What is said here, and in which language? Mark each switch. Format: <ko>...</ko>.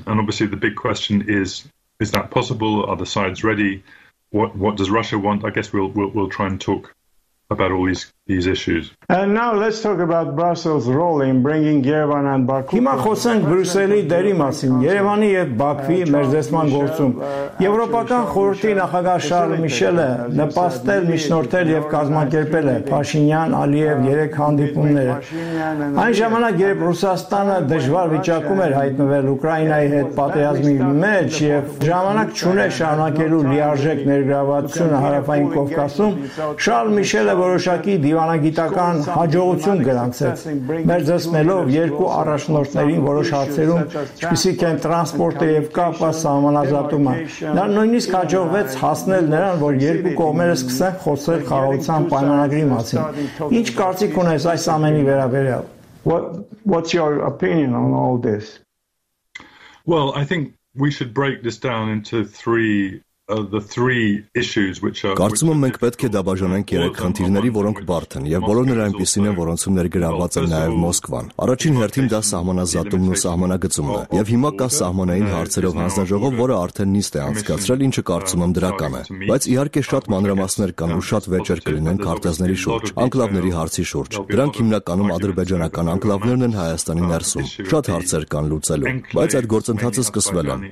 <en>And obviously the big question is that possible? Are the sides ready? What does Russia want? I guess we'll try and talk about all these issues. And now let's talk about Brussels' role in bringing Yerevan and Baku.</en> <hy>Հիմա խոսենք Բրյուսելի դերի մասին, Երևանի եւ Բաքվի մերձեսման գործում։ Եվրոպական խորհրդի նախագահ Շարլ Միշելը նպաստել, միջնորդել եւ կազմակերպել է Փաշինյան, Ալիև երեք հանդիպումները։ Այն ժամանակ, երբ Ռուսաստանը դժվար վիճակում էր հայտնվել Ուկրաինայի հետ պատերազմի մեջ եւ ժամանակ չուներ շարունակելու լիարժեք ներգրավվածությունը Հարավային Կովկասում, Շարլ Միշելը որոշակի դիվանագիտական հաջողություն գրանցեց, մերձեցնելով երկու առաջնորդներին որոշ հարցերում, ինչպիսիք են տրանսպորտը եւ կապը սահմանազատումը։ Նա նույնիսկ հաջողվեց հասնել նրան, որ երկու կողմերը սկսեն խոսել խաղաղության պայմանագրի մասին։ Ինչ կարծիք ունես այս ամենի վերաբերյալ?</hy> <en>What's your opinion on all this? Well, I think we should break this down into three issues which are</en> <hy>կարծում եմ մենք պետք է դաբաժանենք երեք խնդիրների, որոնք բարդ են եւ բոլորն այն պիսին են, որոնցում ներգրավված է նաեւ Մոսկվան։ Առաջին հերթին դա սահմանազատումն ու սահմանագծումն է, եւ հիմա կա սահմանային հարցերով հանձնաժողով, որը արդեն նիստ է անցկացրել, ինչը կարծում եմ դրական է, բայց իհարկե շատ մանրամասներ կան ու շատ վեճեր կլինեն քարտեզների շուրջ, անկլավների հարցի շուրջ։ Դրանք հիմնականում ադրբեջանական անկլավներն են Հայաստանի ներսում, շատ հարցեր կան լուծելու, բայց այդ գործընթացը սկսվել է։</hy>